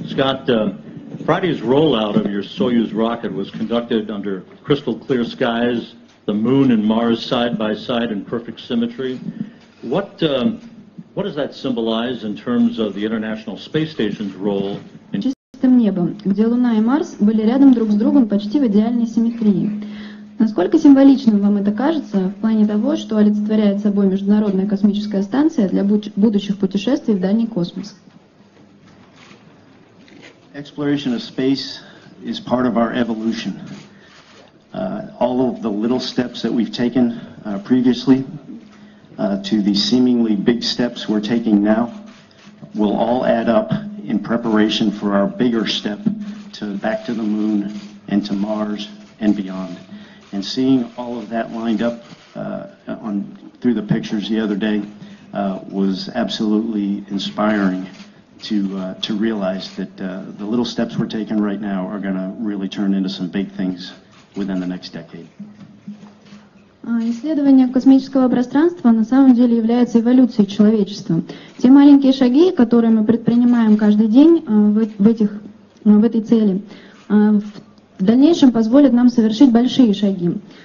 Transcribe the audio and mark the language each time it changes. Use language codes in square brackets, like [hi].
[en] Scott, Friday's rollout of your Soyuz rocket was conducted under crystal clear skies, the moon and Mars side by side in perfect symmetry. What does that symbolize in terms of the International Space Station's role in [ru] чистым небом, где Луна и Марс были рядом друг с другом почти в идеальной симметрии? Насколько символичным вам это кажется в плане того, что олицетворяет собой Международная космическая станция для будущих путешествий в дальний космос? [en] Exploration of space is part of our evolution. All of the little steps that we've taken previously to the seemingly big steps we're taking now will all add up in preparation for our bigger step to back to the moon and to Mars and beyond. And seeing all of that lined up on through the pictures the other day was absolutely inspiring to realize that the little steps we're taking right now are going to really turn into some big things within the next decade. [ru] Исследование космического пространства на самом деле является эволюцией человечества. Те маленькие шаги, которые мы предпринимаем каждый день в этой цели, в дальнейшем позволят нам совершить большие шаги.